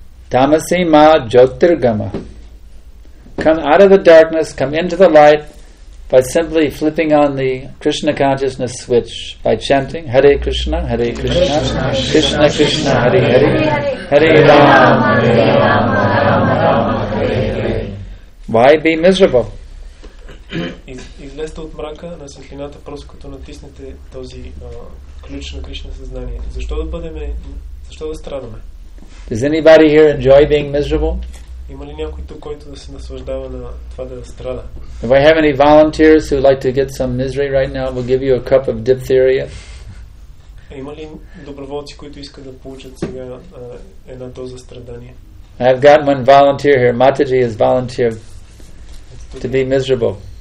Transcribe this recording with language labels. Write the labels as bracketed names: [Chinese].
[Sanskrit] Tamasima Jyotirgama. [English] Come out of the darkness, come into the light by simply flipping on the Krishna consciousness switch by chanting Hare Krishna, Hare Krishna, Krishna Krishna, Hare Hare, Hare Rama, Hare Rama, Rama Rama, Hare Hare. Why be miserable? [Bulgarian] Излезте от мрака на светлината, просто като натиснете този ключ на Кришна съзнание. Защо да бъдем, защо да страдаме? [English] Does anybody here enjoy being miserable? [Bulgarian] Има ли някой тук, който да се наслаждава на това да страда? [English] If I have any volunteers who would like to get some misery right now, we'll give you a cup of diphtheria. [Bulgarian] Има ли доброволци, които искат да получат сега една доза страдание? [English] I've got one volunteer here. Mataji is volunteer to be miserable.